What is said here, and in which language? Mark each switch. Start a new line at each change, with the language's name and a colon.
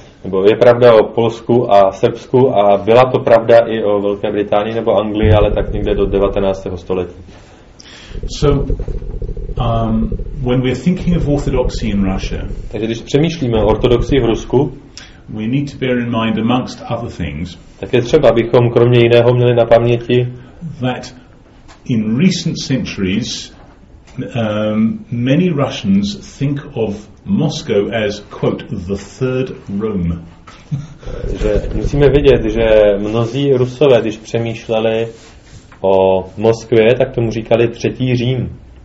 Czech: Nebo je pravda o Polsku a Srbsku a byla to pravda i o Velké Británii nebo Anglii, ale tak někde do 19. století.
English: So when we're thinking of orthodoxy in Russia,
Czech: takže když přemýšlíme o ortodoxii v Rusku,
English: we need to bear in mind amongst other things,
Czech: tak je třeba, abychom kromě jiného měli na paměti,
English: that in recent centuries many Russians think of Moscow as quote the third Rome.
Czech: Že musíme vědět, že mnozí Rusové, když přemýšleli o Moskvě, tak tomu říkali třetí Řím.